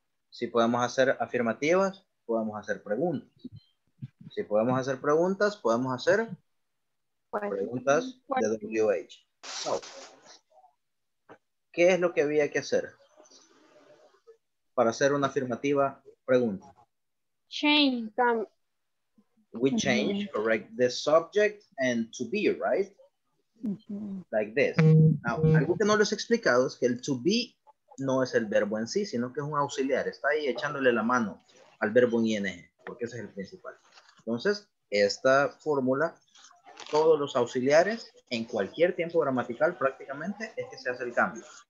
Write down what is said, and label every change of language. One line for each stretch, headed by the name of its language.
Spanish: Si podemos hacer afirmativas, podemos hacer preguntas. Si podemos hacer preguntas, podemos hacer preguntas de WH. So, ¿qué es lo que había que hacer para hacer una afirmativa pregunta?
English: Change. We change, correct, the subject and to be, right? Like this.
Spanish: Now, algo que no les he explicado es que el to be no es el verbo en sí, sino que es un auxiliar. Está ahí echándole la mano al verbo en ing, porque ese es el principal. Entonces, esta fórmula, todos los auxiliares, en cualquier tiempo gramatical prácticamente, es que se hace el cambio.